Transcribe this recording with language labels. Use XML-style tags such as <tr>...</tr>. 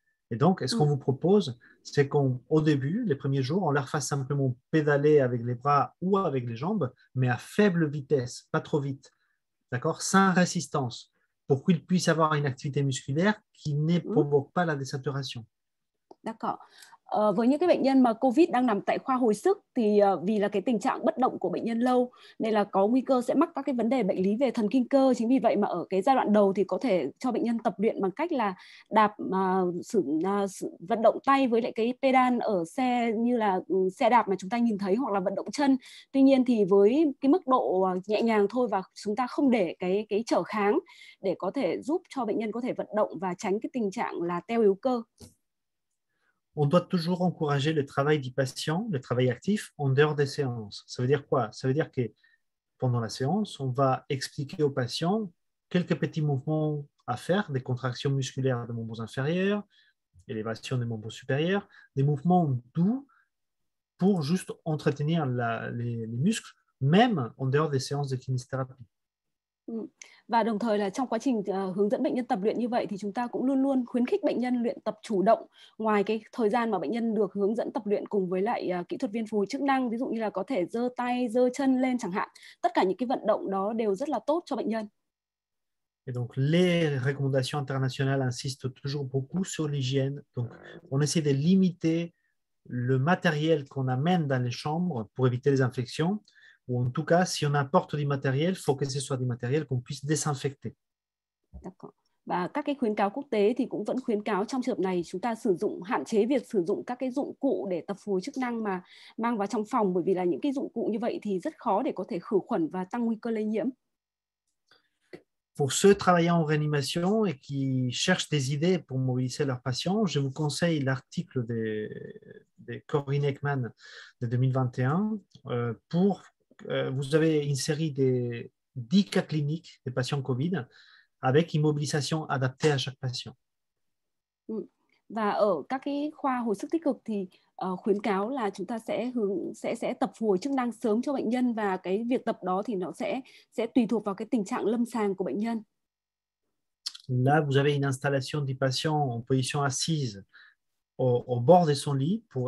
<fr>Et donc, ce qu'on vous propose, c'est qu'au début, les premiers jours, on leur fasse simplement pédaler avec les bras ou avec les jambes, mais à faible vitesse, pas trop vite, d'accord? Sans résistance, pour qu'ils puissent avoir une activité musculaire qui ne provoque pas la désaturation. D'accord.</fr> <vi>Với những cái bệnh nhân mà COVID đang nằm tại khoa hồi sức thì vì là cái tình trạng bất động của bệnh nhân lâu nên là có nguy cơ sẽ mắc các cái vấn đề bệnh lý về thần kinh cơ. Chính vì vậy mà ở cái giai đoạn đầu thì có thể cho bệnh nhân tập luyện bằng cách là đạp sử vận động tay với lại cái pedal ở xe như là xe đạp mà chúng ta nhìn thấy hoặc là vận động chân. Tuy nhiên thì với cái mức độ nhẹ nhàng thôi và chúng ta không để cái trở kháng để có thể giúp cho bệnh nhân có thể vận động và tránh cái tình trạng là teo yếu cơ.</vi> <fr>On doit toujours encourager le travail du patient, le travail actif, en dehors des séances. Ça veut dire quoi? Ça veut dire que pendant la séance, on va expliquer au patient quelques petits mouvements à faire, des contractions musculaires des membres inférieurs, élévation des membres supérieurs, des mouvements doux pour juste entretenir les muscles, même en dehors des séances de kinésithérapie.</fr> <vi>Và đồng thời là trong quá trình hướng dẫn bệnh nhân tập luyện như vậy thì chúng ta cũng luôn luôn khuyến khích bệnh nhân luyện tập chủ động ngoài cái thời gian mà bệnh nhân được hướng dẫn tập luyện cùng với lại kỹ thuật viên phục hồi chức năng, ví dụ như là có thể giơ tay, giơ chân lên chẳng hạn. Tất cả những cái vận động đó đều rất là tốt cho bệnh nhân.</vi> <fr>Et donc, les recommandations internationales insistent toujours beaucoup sur l'hygiène. Donc, on essaie de limiter le matériel qu'on amène dans les chambres pour éviter les infections. Ou en tout cas, si on apporte du matériel, il faut que ce soit du matériel qu'on puisse désinfecter. D'accord.</fr> <vi>Và các cái khuyến cáo quốc tế thì cũng vẫn khuyến cáo trong trường hợp này chúng ta sử dụng hạn chế việc sử dụng các cái dụng cụ để tập phục hồi chức năng mà mang vào trong phòng bởi vì là những cái dụng cụ như vậy thì rất khó để có thể khử khuẩn và tăng nguy cơ lây nhiễm.</vi> <fr>Pour ceux travaillant en réanimation et qui cherchent des idées pour mobiliser leurs patients, je vous conseille l'article de Corinne Ekman de 2021. Vous avez une série de 10 cas cliniques des patients COVID avec une mobilisation adaptée à chaque patient.</fr> <vi>Và ở các cái khoa hồi sức tích cực thì khuyến cáo là chúng ta sẽ tập phục hồi chức năng sớm cho bệnh nhân và cái việc tập đó thì nó sẽ tùy thuộc vào cái tình trạng lâm sàng của bệnh nhân.</vi> <fr>Là, vous avez une installation du patient en position assise au bord de son lit.</fr>